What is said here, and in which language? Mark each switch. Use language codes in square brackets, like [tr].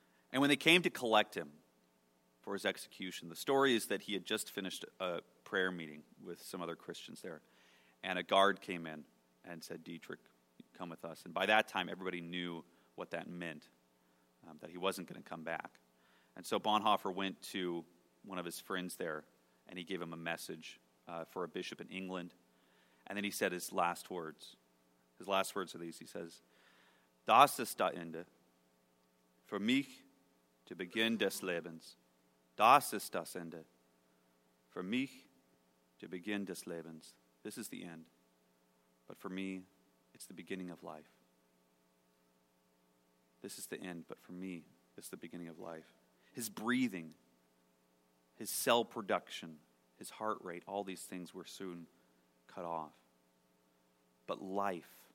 [en] And when they came to collect him for his execution, the story is that he had just finished a prayer meeting with some other Christians there, and a guard came in and said, Dietrich, come with us. And by that time, everybody knew what that meant, that he wasn't going to come back. And so Bonhoeffer went to one of his friends there, and he gave him a message for a bishop in England. And then he said his last words. His last words are these. He says, Das ist das Ende. [de] Für mich zu Beginn des Lebens. Das ist das Ende. Für mich zu Beginn des Lebens. [en] This is the end. But for me, it's the beginning of life. This is the end, but for me, it's the beginning of life. His breathing, his cell production, his heart rate, all these things were soon cut off. But life,